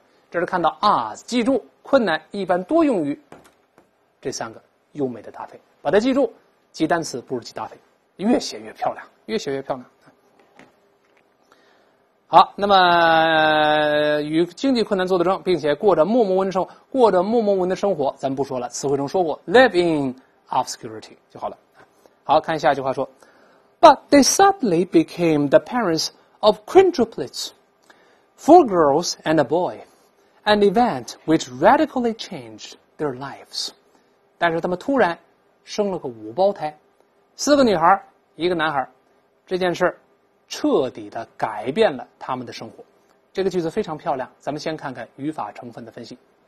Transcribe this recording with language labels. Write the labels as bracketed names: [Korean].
[Chinese] 这是看到 odds, 记住困难一般多用于这三个优美的搭配，把它记住，记单词不如记搭配，越写越漂亮，越写越漂亮。好，那么与经济困难做斗争，并且过着默默无闻生活，过着默默无闻的生活，咱们不说了。词汇中说过 ， [English] live in obscurity [Chinese] 就好了。好，看下一句话说 [English] ，But they suddenly became the parents of quintuplets, four girls and a boy, an event which radically changed their lives. [Chinese] 但是他们突然生了个五胞胎，四个女孩，一个男孩，这件事彻底的改变了他们的生活。这个句子非常漂亮，咱们先看看语法成分的分析。